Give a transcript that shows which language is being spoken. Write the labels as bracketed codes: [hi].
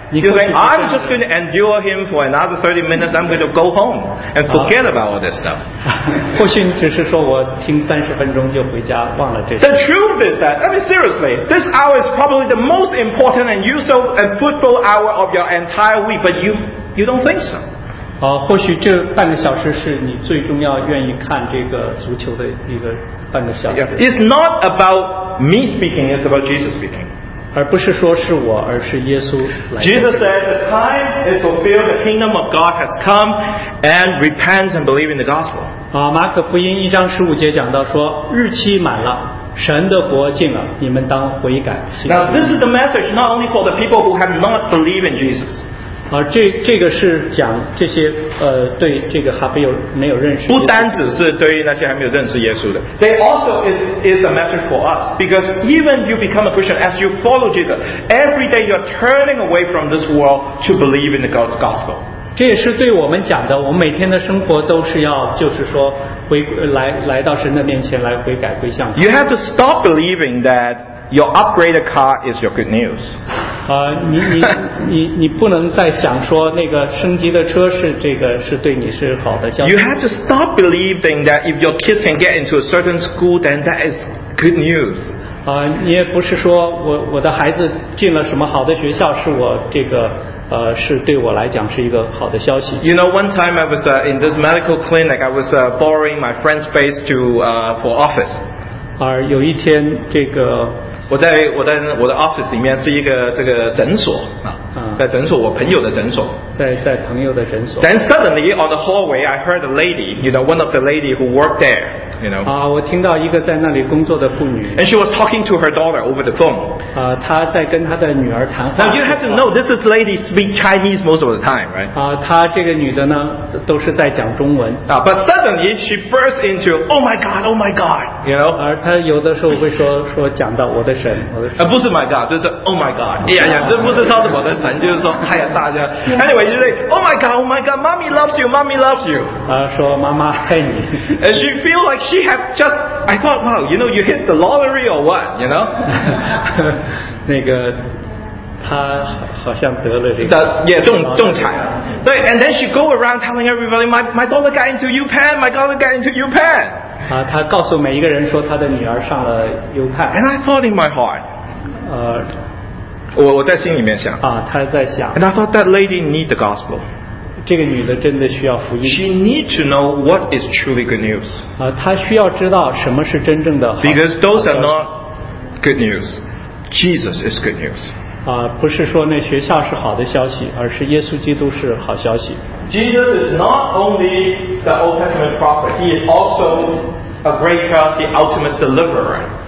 [en] You think I'm just going to endure him for another 30 minutes I'm going to go home and forget about all this stuff [zh] 或许你只是说我听30分钟就回家忘了这些 [en] The truth is that I mean seriously this hour is probably the most important and useful and fruitful hour of your entire week but you don't think so [zh] 或许这半个小时是你最重要愿意看这个足球的一个半个小时。 [en] Yeah. It's not about me speaking, it's about Jesus speaking. [zh] 而不是说是我，而是耶稣来。 [en] Jesus said, "The time is fulfilled. The kingdom of God has come, and repent and believe in the gospel." [zh] 啊，马可福音一章十五节讲到说，日期满了。神的国近了，你们当悔改。 [en] Now this is the message not only for the people who have not believed in Jesus. [zh] 这个是讲这些对这个还没有认识。不单只是对于那些还没有认识耶稣的。 [en] They also is a message for us because even you become a Christian as you follow Jesus, every day you're turning away from this world to believe in the gospel. [zh] 这也是对我们讲的，我们每天的生活都是要，就是说来到神的面前来悔改归向。 [en] You have to stop believing that your upgraded car is your good news. [zh] 你不能再想说那个升级的车是这个是对你是好的消息。 [en] You have to stop believing that if your kids can get into a certain school, then that is good news. [zh] 你也不是说我的孩子进了什么好的学校是我这个。是对我来讲是一个好的消息。 [en] You know, one time I was in this medical clinic. I was borrowing my friend's space for office. [zh] 有一天这个我在我的 office 里面是一个这个诊所在诊所我朋友的诊所。在朋友的诊所。 [en] Then suddenly on the hallway, I heard a lady. You know, one of the lady who worked there. You know. [zh] 我听到一个在那里工作的妇女。 [en] And she was talking to her daughter over the phone. [zh] 她在跟她的女儿谈话。 [en] Now you have to know this is lady speak Chinese most of the time, right? [zh] 她这个女的呢，都是在讲中文。 [en] But suddenly she burst into, "Oh my God, oh my God!" You know. [zh] 她有的时候会说讲到我的神，我的神。不是 [en] my God, [zh] 这是 [en] oh my God. Yeah, yeah. [zh] 这不是到的我的神，就是说，哎呀，大家。 [en] Anyway, she say, "Oh my God, oh my God, mommy loves you, mommy loves you." [zh] 说妈妈爱你。 [en] And she feel like. She had just, I thought, wow, you know, you hit the lottery or what, you know? [zh] 那个，她好像得了这个。中彩。 [en] 对 ，and then she go around telling everybody, my daughter got into UPenn, my daughter got into UPenn. [zh] 她告诉每一个人说她的女儿上了 UPenn. [en] And I thought in my heart, [zh] 我在心里面想。她在想。 [en] And I thought that lady need the gospel. [zh] 这个女的真的需要福音。 [en] She need to know what is truly good news. [zh] 她需要知道什么是真正的好。 [en] Because those are not good news. Jesus is good news. [zh] 不是说那学校是好的消息，而是耶稣基督是好消息。 [en] Jesus is not only the Old Testament prophet. He is also a great prophet, the ultimate deliverer.